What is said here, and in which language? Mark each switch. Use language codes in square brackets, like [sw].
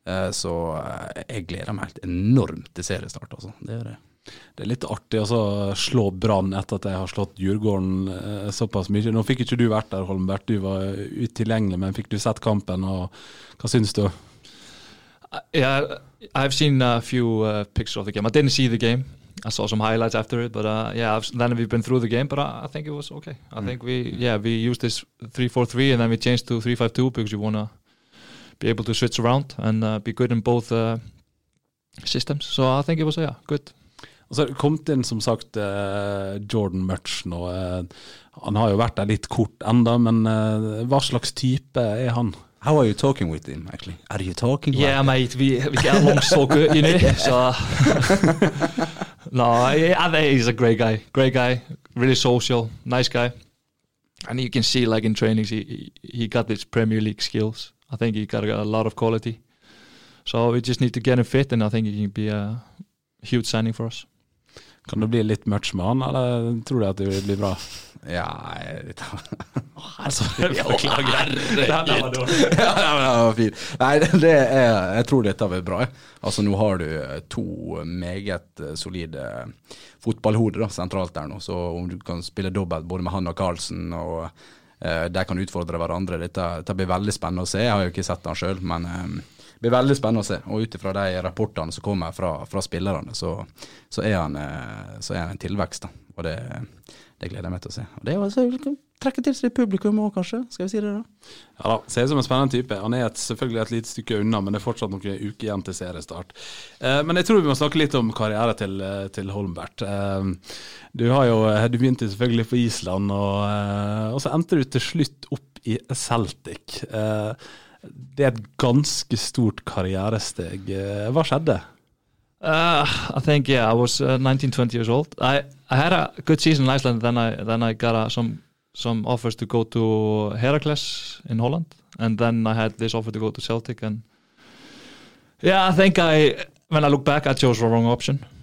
[sv] Så jag gläder mig enormt till seriestart alltså. Det är lite artigt alltså slå Brann efter att jag har slått Djurgården så pass mycket. Nu fick inte du varit där Holmberg, du var utillgänglig men fick du sett kampen och vad syns du? [en] Yeah, I've seen a few pictures of the game. I didn't see the game. I saw some highlights after it, but then we've been through the game, but I think it was okay. I think we used this 3-4-3 and then we changed to 3-5-2 because you want to be able to switch around and be good in both systems. So I think it was, good. [no] Og så kom det inn, som sagt, Jordan Murch nå. Han har jo vært der litt kort enda, men hva slags type han? [en] How are you talking with him, actually? Are you talking yeah, like mate, we get along so good, you know? So... No, I think he's a great guy, really social, nice guy. And you can see, like, in trainings, he got this Premier League skills. I think he got a lot of quality. So we just need to get him fit, and I think he can be a huge signing for us. [no] Kan du bli litt merch med han, eller tror du at det blir bra? Ja, jeg tror dette var bra. Altså nå har du to meget solide fotballhoder sentralt der nå, så om du kan spille dobbelt både med han og Carlsen og der kan utfordre hverandre, dette blir veldig spennende å se. Jeg har jo ikke sett han selv, men det blir veldig spennende å se, og utifra de rapportene som kommer fra spillerne, så er han en tilvekst da, og det gleder jeg meg til å se. Og det er jo trekke til seg publikum også, kanskje, skal vi si det da? Ja da, ser som en spennende type. Han er selvfølgelig et litt stykke unna, men det er fortsatt noen uker igjen til seriestart. Men jeg tror vi må snakke litt om karriere til Holmberg. Du begynte selvfølgelig på Island, og så endte du til slutt opp i Celtic. Det er et ganske stort karrieresteg. Hva skjedde? [en] I think I was 19-20 years old. I had a good season in Iceland, then I got some offers to go to Heracles in Holland, and then I had this offer to go to Celtic, and yeah, I think when I look back, I chose the wrong option.